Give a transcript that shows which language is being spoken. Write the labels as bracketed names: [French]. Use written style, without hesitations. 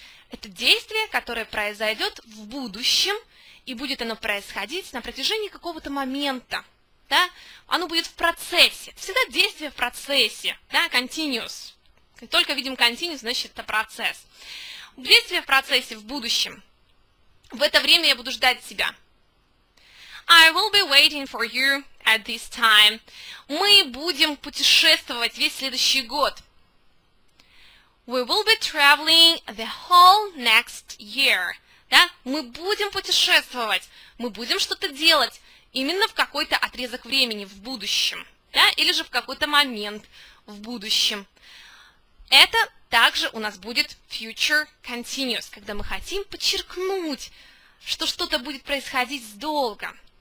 [Russian] Это действие, которое произойдет в будущем, и будет оно происходить на протяжении какого-то момента, да? Оно будет в процессе, всегда действие в процессе, да, continuous. Только видим continuous, значит, это процесс. Действие в процессе, в будущем. В это время я буду ждать тебя. [English] I will be waiting for you at this time. [Russian] Мы будем путешествовать весь следующий год. [English] We will be traveling the whole next year. [Russian] Да? Мы будем путешествовать. Мы будем что-то делать именно в какой-то отрезок времени, в будущем. Да? Или же в какой-то момент в будущем. Это также у нас будет future continuous, когда мы хотим подчеркнуть, что что-то будет происходить долго.